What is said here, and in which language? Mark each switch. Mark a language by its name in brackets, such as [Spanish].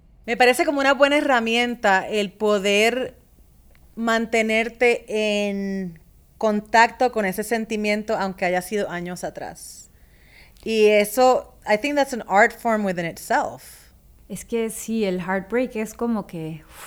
[Spanish] Me parece como una buena herramienta el poder mantenerte en contacto con ese sentimiento, aunque haya sido años atrás. Y eso, [English] I think that's an art form within itself. [Spanish] Es que sí, el heartbreak es como que...